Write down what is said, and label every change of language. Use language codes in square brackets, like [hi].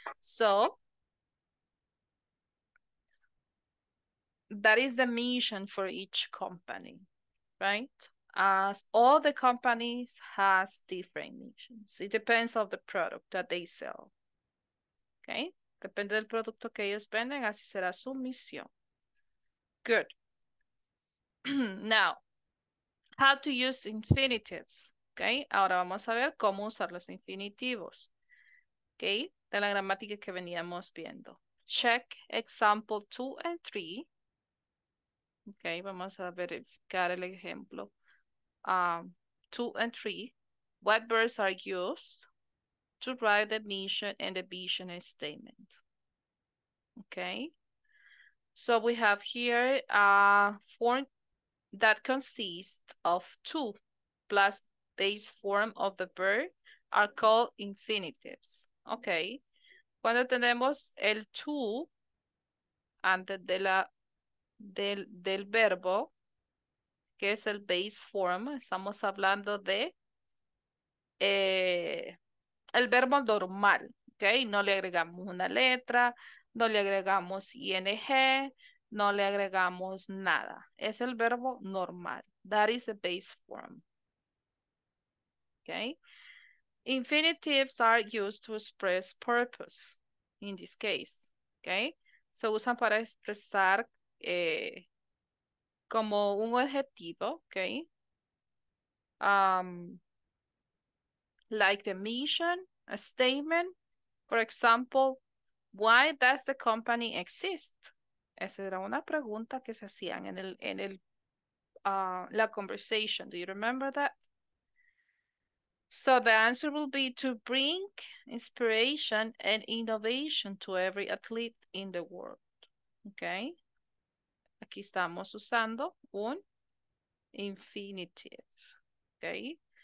[en] So, that is the mission for each company, right? As all the companies has different missions. It depends on the product that they sell. Okay? [es] Depende del producto que ellos venden, así será su misión. [en] Good. Now, how to use infinitives. Okay? [es] Ahora vamos a ver cómo usar los infinitivos. [en] Okay? [es] De la gramática que veníamos viendo. [en] Check example 2 and 3. Okay? [es] Vamos a verificar el ejemplo. [en] 2 and 3, what verbs are used to write the mission and the vision statement. Okay. So we have here a form that consists of 2 plus base form of the verb are called infinitives. Okay. [es] Cuando tenemos el 2 antes de la, del verbo, que es el base form, estamos hablando de el verbo normal, ¿ok? No le agregamos una letra, no le agregamos ing, no le agregamos nada. Es el verbo normal. [en] That is the base form. Okay. Infinitives are used to express purpose in this case. [es] Okay. Se usan para expresar como un objetivo. Okay. [en] Like the mission, a statement. For example, why does the company exist? [es] Esa era una pregunta que se hacían en la conversation. [en] Do you remember that? So the answer will be to bring inspiration and innovation to every athlete in the world. [es] Okay. Aquí estamos usando un infinitive. Okay.